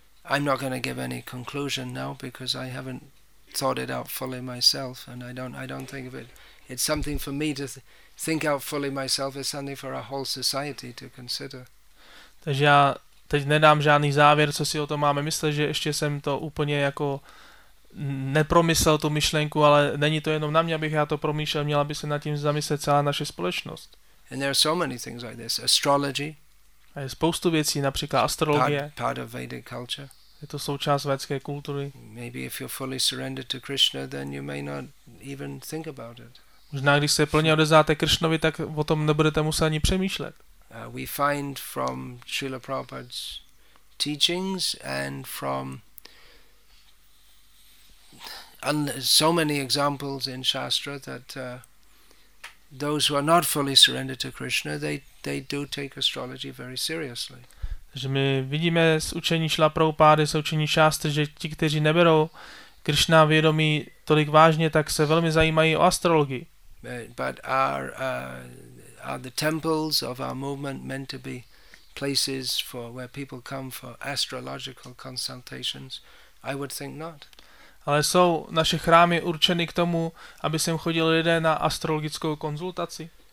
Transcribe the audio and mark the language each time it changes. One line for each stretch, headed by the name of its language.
English: I'm not going to give any conclusion now because I haven't thought it out fully myself, and I don't think of it. It's something for me to think out fully myself. It's something for a whole society to consider.
Czech: Takže já teď nedám žádný závěr, co si o tom máme myslet, že ještě jsem to úplně jako nepromyslel tu myšlenku, ale není to jenom na mě, abych já to promýšlel, měla by se nad tím zamyslet celá naše společnost.
English: And there are so many things like this. Astrology.
Czech: A je spoustu věcí, například astrologie.
English: Part of Vedic culture.
Czech: Je to součást védské kultury.
English: Maybe if you're fully surrendered to Krishna, then you may not even think about it.
Czech: Možná když se plně odezdáte Krishnovi, tak o tom nebudete muset ani přemýšlet.
English: We find from Srila Prabhupada's teachings and from so many examples in Shastra that those who are not fully surrendered to Krishna, they do take astrology very seriously.
Czech: Takže my vidíme z učení Srila Prabhupády, z učení Shastry, že ti, kteří neberou Krishna vědomí tolik vážně, tak se velmi zajímají o astrologii.
English: But are the temples of our movement meant to be places for where people come for astrological consultations? I would think not.
Czech: Ale jsou naše chrámy určeny k tomu, aby sem chodili lidé na astrologickou konzultaci?